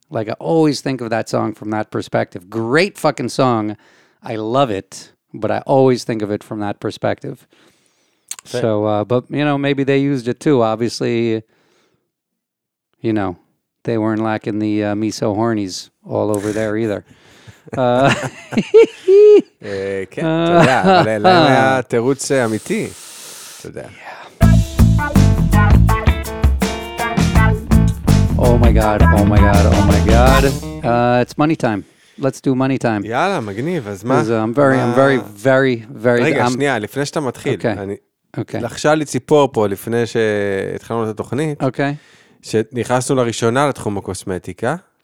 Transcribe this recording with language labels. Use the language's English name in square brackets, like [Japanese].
[English] Like, I always think of that song from that perspective. Great fucking song. I love it, but I always think of it from that perspective. So, but, you know, maybe they used it too. Obviously, you know, they weren't lacking the miso hornies all over there either. [Hebrew] כן, תודה, אבל אלה תירוץ אמיתי, תודה. [English] Oh my god, oh my god, oh my god. It's money time. Let's do money time. [Hebrew] יאללה, מגניב, אז מה? [English] I'm very, I'm very, very, very... [Hebrew] רגע, שנייה, לפני שאתה מתחיל. אוקיי. לחשה לי ציפור פה לפני שהתחלנו את התוכנית. אוקיי. שנכנסנו לראשונה לתחום הקוסמטיקה.